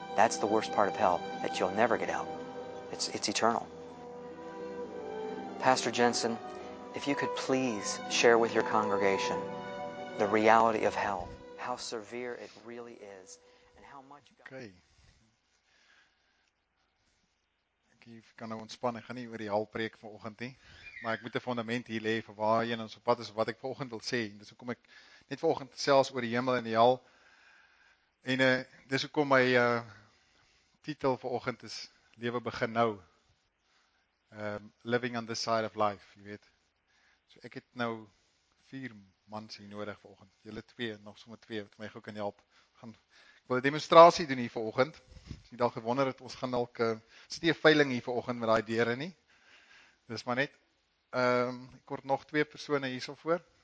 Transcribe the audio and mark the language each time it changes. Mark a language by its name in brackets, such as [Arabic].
[English] That's the worst part of hell, that you'll never get out. It's eternal. Pastor Jensen, if you could please share with your congregation the reality of hell, how severe it really is, and how much God... Okay. [Afrikaans] Jy kan nou ontspan, ek gaan nie oor die hel preek vanoggend nie, maar ek moet 'n fondament hier lê vir waarheen ons op pad is, wat ek vanoggend wil sê, dis hoekom ek net vanoggend sels oor die hemel en die hel, en dis hoekom my titel vanoggend is, Lewe begin nou, [English] Living on the side of life, [Afrikaans] jy weet, so ek het nou 4 mans hier nodig vanoggend, julle 2, nog sommer 2, wat my goed kan help, ek wil 'n demonstrasie doen hier vanoggend, Ek dalk gewonder het, ons gaan dalk steef veiling hier vanoggend met die deure nie. Dis maar net, ek hoor nog 2 persone hier so voor.